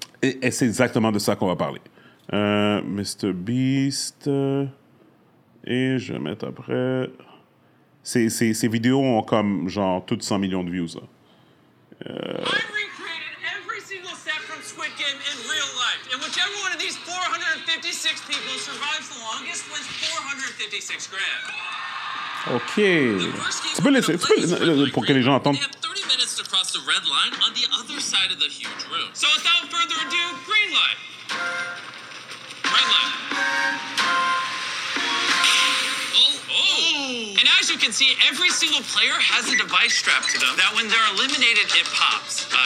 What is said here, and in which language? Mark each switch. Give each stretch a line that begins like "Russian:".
French: Et c'est exactement de ça qu'on va parler. MrBeast, et je vais mettre après, ces vidéos ont comme genre toutes 100 millions de views.
English: I recreated every single set from Squid Game in real life, and whichever one of these 456 people survives the longest wins 456 grand. OK.
French: Tu peux laisser, pour que les gens entendent.
English: They have 30 minutes to cross the red line on the other side of the huge room. So without further ado, green light. And as you can see, every single player has a device strapped to them that when they're eliminated, it pops.